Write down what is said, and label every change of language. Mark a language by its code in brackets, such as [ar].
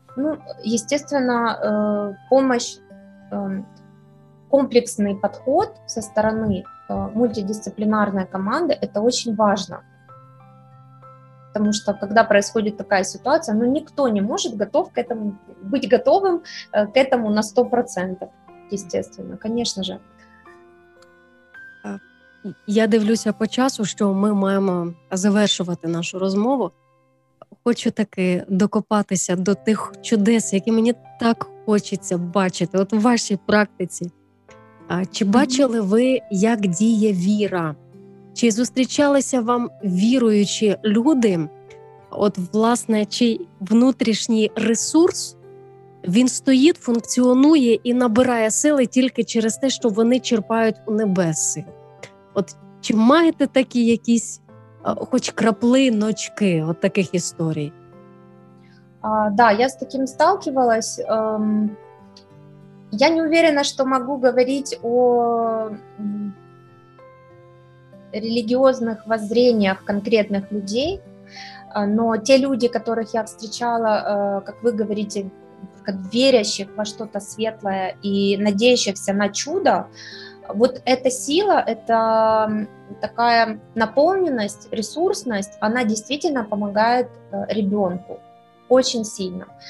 [ru] Ну, естественно, помощь, комплексный подход со стороны мультидисциплинарной команды – это очень важно. Потому что, когда происходит такая ситуация, ну, никто не может готов к этому, быть готовым к этому на 100%, естественно, конечно же. [uk] Я дивлюся по часу, що ми маємо завершувати нашу розмову. Хочу таки докопатися до тих чудес, які мені так хочеться бачити. От в вашій практиці. Чи бачили ви, як діє віра? Чи зустрічалися вам віруючі люди? От, власне, чи внутрішній ресурс, він стоїть, функціонує і набирає сили тільки через те, що вони черпають у небеси? От, чи маєте такі якісь хоч краплі, ночки от таких історій? [ru] Да, я з таким сталкивалась. Я не уверена, [uk] що можу говорити [ru] о релігіозних воззреннях конкретних людей, но те люди, которых я встречала, как вы говорите, как верящих во что-то светлое и надеющихся на чудо, вот эта сила, это такая наполненность, ресурсность, она действительно помогает ребенку очень сильно.